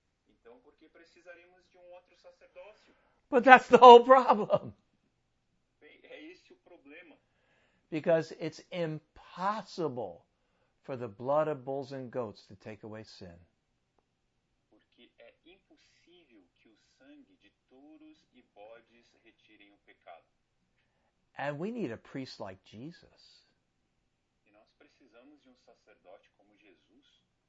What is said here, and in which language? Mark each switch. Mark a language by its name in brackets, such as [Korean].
[Portuguese] Então, por que precisaríamos de um outro sacerdócio? [English] But that's the whole problem. [Portuguese] Bem, é esse o problema. [English] Because it's impossible for the blood of bulls and goats to take away sin. [Portuguese] Porque é impossível que o sangue de touros e bodes retirem o pecado. [English] And we need a priest like Jesus. [Portuguese] E nós precisamos de um sacerdote como Jesus.